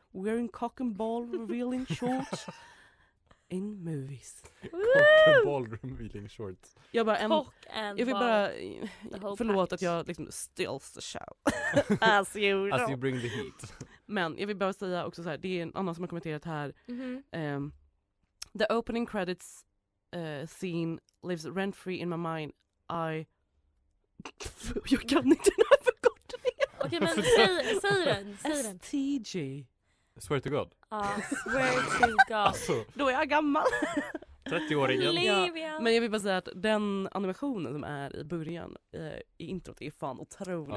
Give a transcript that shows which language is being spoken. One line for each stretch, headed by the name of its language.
English: Wearing cock and ball revealing shorts in movies. Cock and ball revealing shorts.
Swedish: Jag bara,
English: cock and
Swedish: jag vill
English: ball.
Swedish: Bara, förlåt package. Att jag liksom
English: steals the show. As you know. As you bring the heat.
Swedish: Men jag vill bara säga också så här, det är en annan som har kommenterat här. Mm-hmm.
English: The opening credits scene lives rent free in my mind. I...
Swedish: jag kan inte den här förkortningen. Okej, men säg den.
English: STG. Swear to God. Swear to God.
Swedish: Alltså, då är jag gammal. 30 år igen. Men jag vill bara säga att den animationen som är i början i introt är fan otrolig.